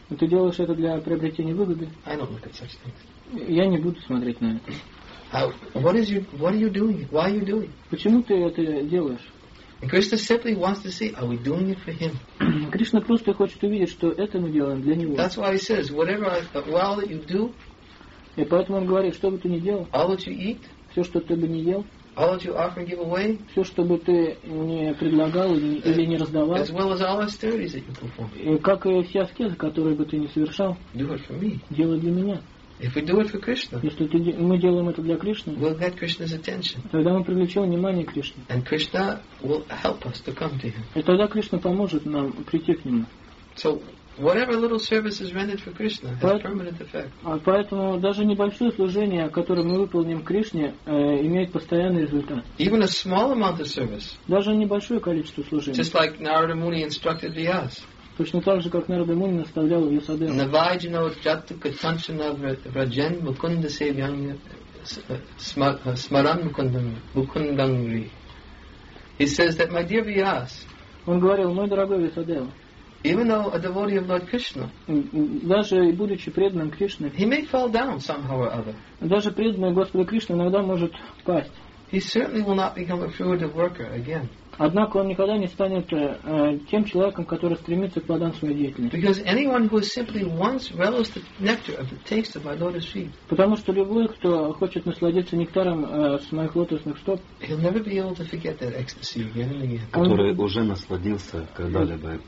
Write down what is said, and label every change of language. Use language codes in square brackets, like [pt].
[ru] Ты делаешь это для приобретения выгоды? [en] I don't look at such things. [ru] Я не буду смотреть на это. [en] What are you doing? [ru] Почему ты это делаешь? [en] Krishna simply wants to see, are we doing it for him? [ru] Кришна просто хочет увидеть, что это мы делаем для него. [en] That's why he says, whatever I, all that you do. [ru] И поэтому он говорит, что бы ты ни делал. [en] All that you eat. [ru] Все, что ты бы не ел. [en] All that you offer and give away. [ru] Все, что бы ты не предлагал или не раздавал. [en] As well as all the austerities that you perform. [ru] И как и все аскезы, которые бы ты не совершал. [en] Do it for me. [ru] Делай для меня. [en] If we do it for Krishna. [ru] Если мы делаем это для Кришны. [en] We'll get Krishna's attention. [ru] Тогда мы привлечем внимание Кришны. [en] And Krishna will help us to come to him. [ru] И тогда Кришна поможет нам прийти к нему. [en] So whatever little service is rendered for Krishna has permanent effect. [ru] Поэтому даже небольшое служение, которое мы выполним Кришне, имеет постоянный результат. [en] Even a small amount of service. [ru] Даже небольшое количество служения. [en] Just like Narada Muni instructed Vyas. [ru] Точно так же, как Нарада Муни наставлял Вьясадеву. [sa] Навайджина Ваджатта Катанчана Враджен Мукунда Севьянга Смаран Мукундангри. [en] He says that, my dear Vyas. [ru] Он говорил, мой дорогой Вьясадева. [en] Even though a devotee of Lord Krishna, [ru] даже будучи преданным Кришне, [en] he may fall down somehow or other. [ru] Даже преданный Господу Кришне иногда может пасть. [en] He certainly will not become a fruitive worker again. [ru] Однако он никогда не станет тем человеком, который стремится к плодам своей деятельности. [en] Because anyone who simply once relishes the nectar of the taste of my lotus feet, [ru] потому что любой, кто хочет насладиться нектаром с моих лотосных стоп, [en] he'll never be able to forget that ecstasy again and again. [ru] Который уже насладился когда-либо.